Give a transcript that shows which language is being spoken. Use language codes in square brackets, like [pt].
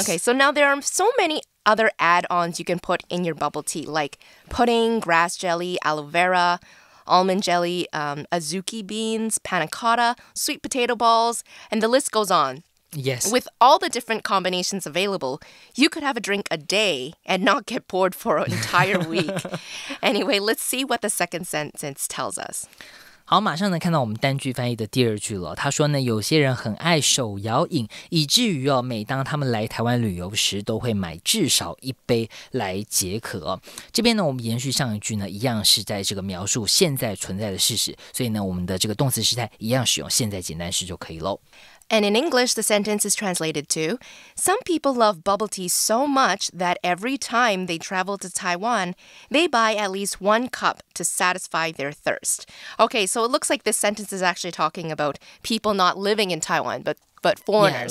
[en] Okay, so now there are so many other add-ons you can put in your bubble tea, like pudding, grass jelly, aloe vera, almond jelly, azuki beans, panna cotta, sweet potato balls, and the list goes on. Yes. With all the different combinations available, you could have a drink a day and not get bored for an entire week. Anyway, let's see what the second sentence tells us. [zh] 好，马上能看到我们单句翻译的第二句了。他说呢，有些人很爱手摇饮，以至于哦，每当他们来台湾旅游时，都会买至少一杯来解渴、哦。这边呢，我们延续上一句呢，一样是在这个描述现在存在的事实，所以呢，我们的这个动词时态一样使用现在简单时就可以喽。 [en] And in English, the sentence is translated to, Some people love bubble tea so much that every time they travel to Taiwan, they buy at least one cup to satisfy their thirst. Okay, so it looks like this sentence is actually talking about people not living in Taiwan, but foreigners,